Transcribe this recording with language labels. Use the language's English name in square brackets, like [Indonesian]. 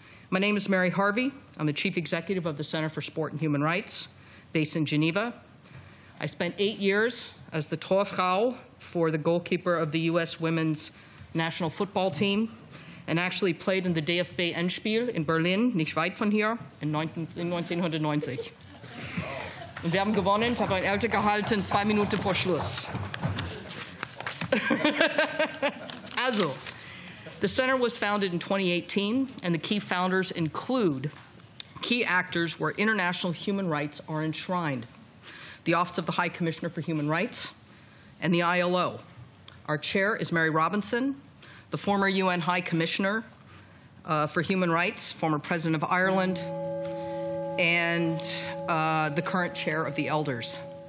[English] My name is Mary Harvey. I'm the chief executive of the Center for Sport and Human Rights, based in Geneva. I spent 8 years as the Torfrau for the goalkeeper of the US women's national football team, and actually played in the DFB Endspiel in Berlin, [German] nicht weit von hier, [English] in 1990. [German] Und wir haben gewonnen, ich habe ein Elfmeter gehalten, 2 Minuten vor Schluss. [English] Also, the center was founded in 2018, and the key founders include key actors where international human rights are enshrined. The Office of the High Commissioner for Human Rights and the ILO. Our chair is Mary Robinson, the former UN High Commissioner for Human Rights, former President of Ireland, and the current chair of the Elders.